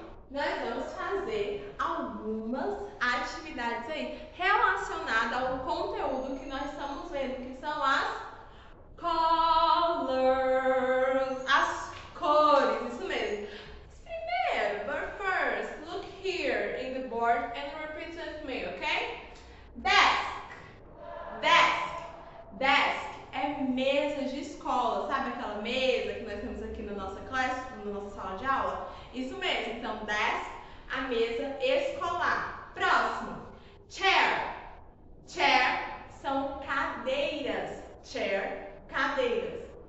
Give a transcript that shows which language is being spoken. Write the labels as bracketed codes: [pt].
[pt] Nós vamos fazer algumas atividades aí relacionadas ao conteúdo que nós estamos vendo, que são as colors, as cores, isso mesmo. Primeiro, [en] but first, look here in the board and repeat with me, ok? [pt] Desk, desk, desk é mesa de escola, sabe aquela mesa que nós temos aqui na nossa classe, na nossa sala de aula? Isso mesmo, então desk, a mesa escolar. Próximo, chair, chair são cadeiras, chair. Cadeiras.